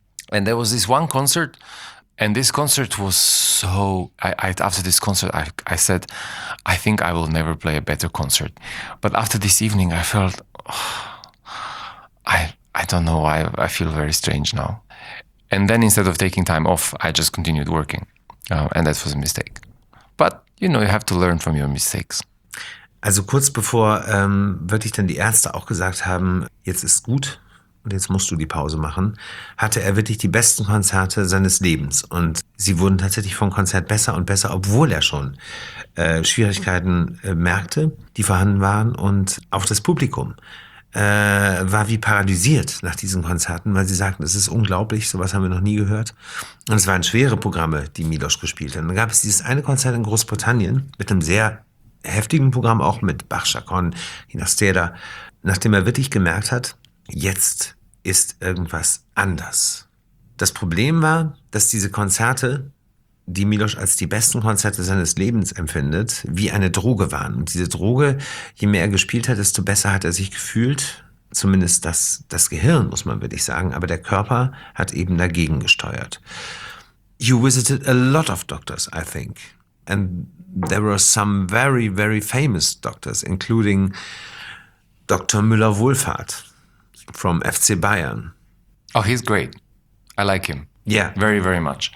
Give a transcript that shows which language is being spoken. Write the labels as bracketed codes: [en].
[en] And there was this one concert. And this concert was so, after this concert, I said, I think I will never play a better concert. But after this evening, I felt, I don't know why, I feel very strange now. And then instead of taking time off, I just continued working. And that was a mistake. But, you know, you have to learn from your mistakes. [de] Also kurz bevor wirklich dann die Ärzte auch gesagt haben, jetzt ist gut, und jetzt musst du die Pause machen, hatte er wirklich die besten Konzerte seines Lebens. Und sie wurden tatsächlich vom Konzert besser und besser, obwohl er schon Schwierigkeiten merkte, die vorhanden waren. Und auch das Publikum war wie paralysiert nach diesen Konzerten, weil sie sagten, es ist unglaublich, sowas haben wir noch nie gehört. Und es waren schwere Programme, die Miloš gespielt hat. Und dann gab es dieses eine Konzert in Großbritannien mit einem sehr heftigen Programm, auch mit Bach, Chaconne, Ginastera, nachdem er wirklich gemerkt hat, jetzt ist irgendwas anders. Das Problem war, dass diese Konzerte, die Miloš als die besten Konzerte seines Lebens empfindet, wie eine Droge waren. Und diese Droge, je mehr er gespielt hat, desto besser hat er sich gefühlt. Zumindest das Gehirn, muss man wirklich sagen. Aber der Körper hat eben dagegen gesteuert. [en] You visited a lot of doctors, I think. And there were some very, very famous doctors, including Dr. Müller-Wohlfahrt from FC Bayern. Oh, he's great. I like him. Yeah. Very, very much.